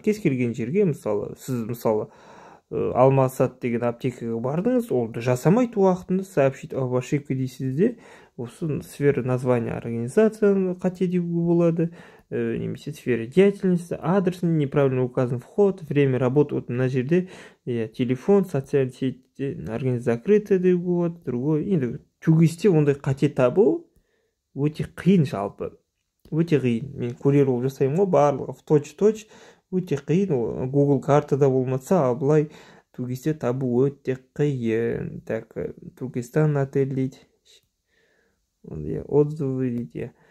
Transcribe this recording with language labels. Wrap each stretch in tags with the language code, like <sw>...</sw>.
<kk>Кез келген жерге, мысалы, сіз мысалы Алмасат деген аптекаға бардыңыз, олды жасамайтын уақытында</kk> <ru>сообщить об ошибке</ru> <kk>дейсіз де, осы сфера названия организацияны қате деуге болады.</kk> <ru>Немесе сфера деятельности, адрес неправильно указан, вход, время работы, вот на жерде, телефон, социальные сети, организация закрыта, вот, другой.</ru> <kk>Енді түгесте ондай қате табу өте қиын жалпы, өте қиын. Мен курьер болып жасаймын ғой, барлығы</kk> <ru>в точь-в-точь,</ru> <kk>өте қиын. Google картада болмаса, ал былай түгесте табу өте қиын. Так, Түркістан отель дейді, отзывы дейді.</kk>